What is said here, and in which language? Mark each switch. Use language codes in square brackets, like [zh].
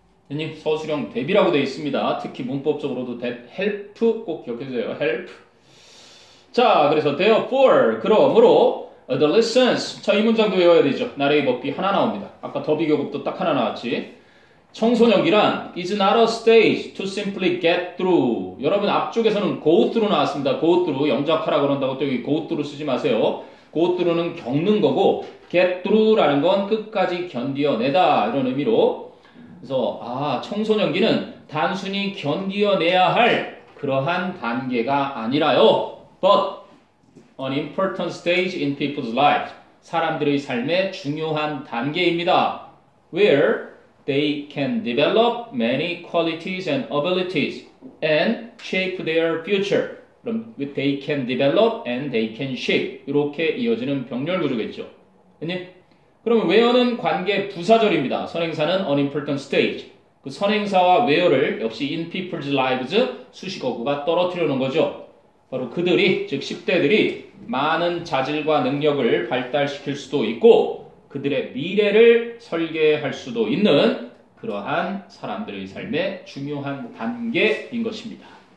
[ko] 왜냐? 서술형 대비라고 되어 있습니다. 특히 문법적으로도 [en] that help [ko] 꼭 기억해주세요. help. 자, 그래서 therefore 그러므로 adolescents. 자, 이 문장도 외워야 되죠. 나레이 법비 하나 나옵니다. 아까 더비 교급도 딱 하나 나왔지. 청소년기란 [en] is not a stage to simply get through. [ko] 여러분 앞쪽에서는 [en] go through [ko] 나왔습니다. go through 영작하라 그런다고 또 여기 go through 쓰지 마세요. [en] go through [ko] 는 겪는 거고 [en] get through [ko] 라는 건 끝까지 견디어내다 이런 의미로. 그래서 아 청소년기는 단순히 견디어내야 할 그러한 단계가 아니라요. [en] but an important stage in people's lives. [ko] 사람들의 삶의 중요한 단계입니다. [en] where They can develop many qualities and abilities and shape their future. [ko] 그럼 [en] they can develop and they can shape. [ko] 이렇게 이어지는 병렬 구조겠죠. 그러면 where는 관계 부사절입니다. 선행사는 [en] an important stage. [ko] 그 선행사와 where를 역시 [en] in people's lives [ko] 수식어구가 떨어뜨려 놓은 거죠. 바로 그들이, 즉 10대들이 많은 자질과 능력을 발달시킬 수도 있고 그들의 미래를 설계할 수도 있는 그러한 사람들의 삶의 중요한 단계인 것입니다.